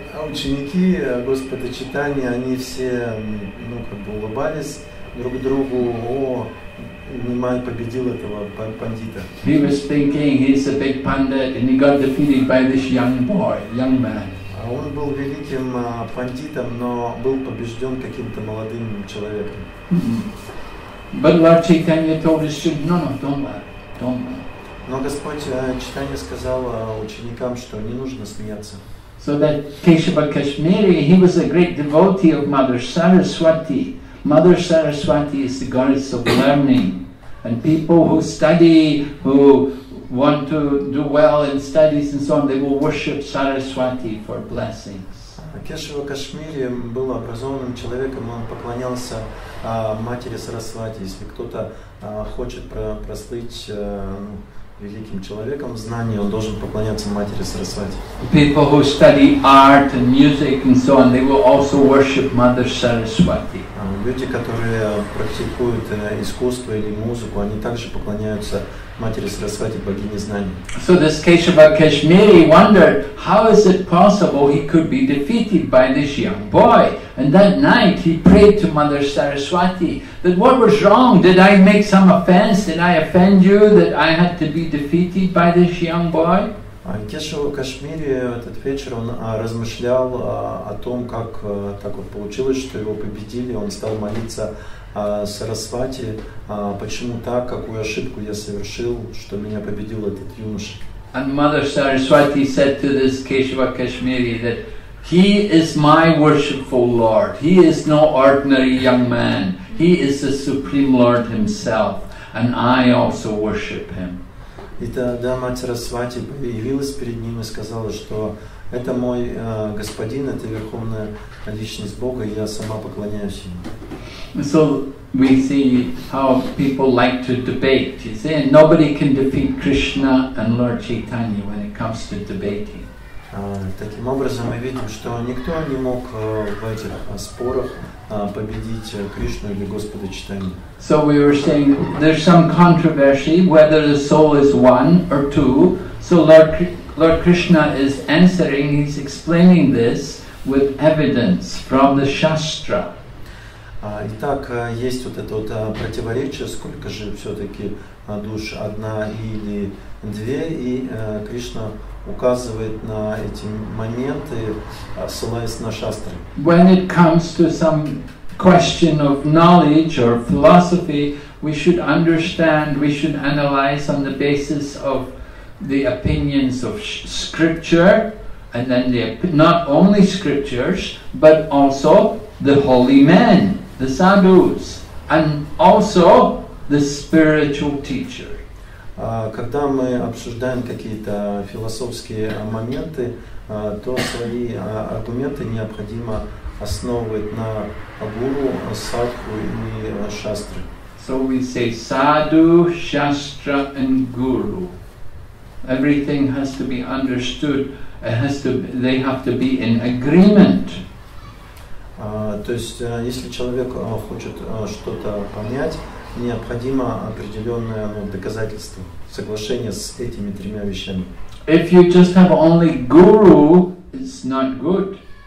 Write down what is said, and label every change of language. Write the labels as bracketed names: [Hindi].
[Russian] Ученики Господа Чайтаньи, они все, ну, как бы улыбались друг другу. О, Нимай победил этого пандита. [English] He was thinking he's a big pandit and he got defeated by this young boy, young man. [Russian] Он был великим пандитом, но был побежден каким-то молодым человеком. [English] But Lord Chaitanya told his students, no, don't laugh. [Russian] Но Господь Чайтанья сказал ученикам, что не нужно смеяться. [English] So that Keshava Kashmiri, he was a great devotee of Mother Saraswati. Mother Saraswati is the goddess of learning. And people who study, who want to do well in studies and so on, they will worship Saraswati for blessings. [Russian] Keshava Kashmiri был образованным человеком, он поклонялся матери Сарасвати. Если кто-то хочет прослыть великим человеком знания, он должен поклоняться матери Сарасвати. [English] People who study art and music and so on, they will also worship Mother Saraswati. [Russian] Люди, которые практикуют искусство или музыку, они также поклоняются матери Сарасвати, богине знаний. [English] So this Keshava Kashmiri wondered, how is it possible he could be defeated by this young boy? And that night he prayed to Mother Saraswati that what was wrong? Did I make some offense? Did I offend you that I had to be defeated by this young boy? [Russian] Кешава Кашмири этот вечер он размышлял о том, как так вот получилось, что его победили. Он стал молиться Сарасвати, почему так, какую ошибку я совершил, что меня победил этот юноша. [English] And Mother Saraswati said to this Keshava Kashmiri that he is my worshipful lord. He is no ordinary young man. He is the supreme lord himself, and I also worship him. [Russian] И тогда мать Сарасвати появилась перед ним и сказала, что это мой господин, это верховная личность Бога, и я сама поклоняюсь ему. [English] So we see how people like to debate. You see, nobody can defeat Krishna and Lord Chaitanya when it comes to debating. [Russian] Таким образом мы видим, что никто не мог в этих спорах победить Кришну или Господа Чайтанью. [English] So we were saying there's some controversy whether the soul is one or two. So Lord Krishna is answering, he's explaining this with evidence from the Shastra. [Russian] Итак, есть вот это вот противоречие, сколько же все-таки душ, одна или две, и Кришна указывает на эти моменты, ссылаясь на шастры. [English] When it comes to some question of knowledge or philosophy, we should understand, we should analyze on the basis of the opinions of scripture, and then the not only scriptures, but also the holy men, the sadhus, and also the spiritual teachers. [Russian] Когда мы обсуждаем какие-то философские моменты, то свои аргументы необходимо основывать на гуру, садху и шастры. [English] So we say sadhu, shastra and guru. Everything has to be understood. They have to be in agreement. [Russian] То есть, если человек хочет что-то понять, необходимо определенное доказательство, соглашение с этими тремя вещами. [English] If you just have only guru, it's not good.